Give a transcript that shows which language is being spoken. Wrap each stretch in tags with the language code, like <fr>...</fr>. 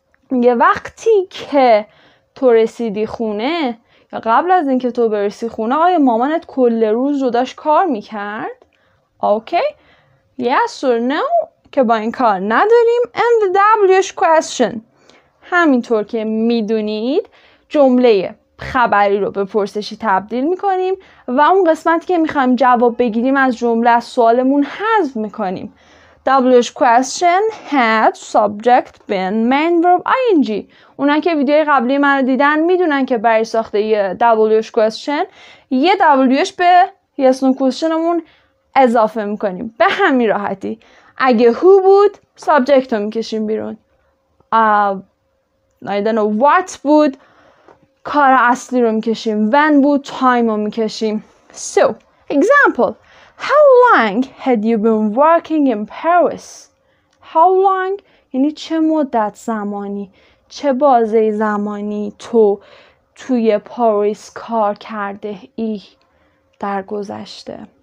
<fa>میگه وقتی که تو رسیدی خونه یا قبل از اینکه تو برسی خونه، آیا مامانت کل روز رو داشت کار میکرد؟</fa> <en>Okay, yes or no</en> <fa>که با این کار نداریم.</fa> <en>And the WH question.</en> <fa>همینطور که میدونید جمله خبری رو به پرسشی تبدیل میکنیم و اون قسمتی که میخوایم جواب بگیریم از جمله از سوالمون حذف میکنیم.</fa> <en>WH question had subject been main verb ing.</en> <fa>اونا که ویدیوی قبلی من رو دیدن میدونن که برای ساخته یه WH question یه WH به yes no questionمون اضافه میکنیم. به همین راحتی. اگه who بود subject رو میکشیم بیرون.</fa> <en>I don't know what</en> <fa>بود کار اصلی رو میکشیم.</fa> <en>When بود time</en> <fa>رو میکشیم.</fa> <en>So, example. How long had you been working in Paris?</en> <fa>How long یعنی چه مدت زمانی، چه بازه زمانی تو توی پاریس کار کرده ای در گذشته.</fa>